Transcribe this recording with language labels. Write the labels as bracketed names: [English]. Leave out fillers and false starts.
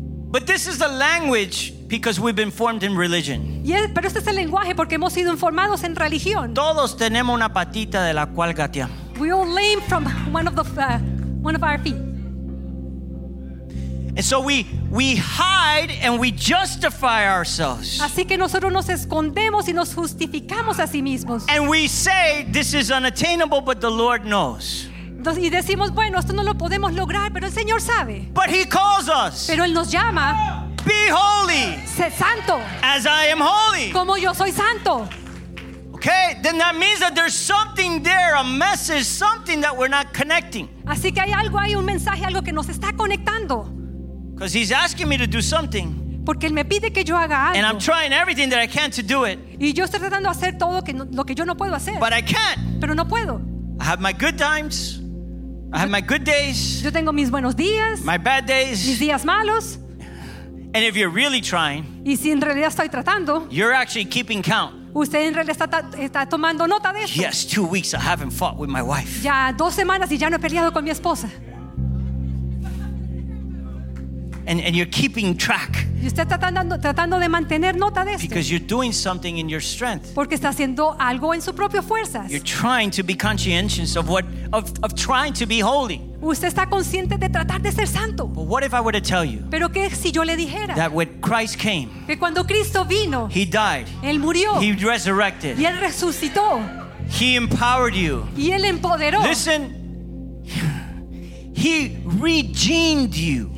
[English] But this is the language because we've been formed in religion. [Spanish] Pero este es el lenguaje porque hemos sido formados en religión. Todos tenemos una patita de la cual gateamos. [English] We all lean from one of our feet. And so we hide and we justify ourselves. [Spanish] Así que nosotros nos escondemos y nos justificamos a sí mismos. [English] And we say this is unattainable, but the Lord knows. [Spanish] Y decimos, bueno, esto no lo podemos lograr, pero el Señor sabe. [English] But he calls us. [Spanish] Pero él nos llama. [English] Be holy. [Spanish] Sé santo. [English] As I am holy. [Spanish] Como yo soy santo. [English] Okay, then that means that there's something there, a message, something that we're not connecting. [Spanish] Así que hay algo ahí, un mensaje, algo que nos está conectando. [English] Because he's asking me to do something. [Spanish] Porque él me pide que yo haga algo. [English] And I'm trying everything that I can to do it. [Spanish] Y yo estoy tratando de hacer todo lo que yo no puedo hacer. [English] But I can't. [Spanish] Pero no puedo. [English] I have my good times. I have my good days. [Spanish] Yo tengo mis buenos días. [English] My bad days. [Spanish] Mis días malos. [English] And if you're really trying, [Spanish] y si en realidad estoy tratando, [English] you're actually keeping count. [Spanish] Usted en realidad está tomando nota de eso. [English] Yes, 2 weeks I haven't fought with my wife. [Spanish] Ya 2 semanas y ya no he peleado con mi esposa. [English] And you're keeping track. [Spanish] Y usted está tratando de mantener nota de esto. [English] Because you're doing something in your strength. [Spanish] Porque está haciendo algo en su propia fuerza. [English] You're trying to be conscientious of trying to be holy. [Spanish] Usted está consciente de tratar de ser santo. [English] But what if I were to tell you? [Spanish] Pero qué si yo le dijera. [English] That when Christ came. [Spanish] Que cuando Cristo vino. [English] He died. [Spanish] Él murió. [English] He resurrected. [Spanish] Y él resucitó. [English] He empowered you. [Spanish] Y él empoderó. [English] Listen. He redeemed you.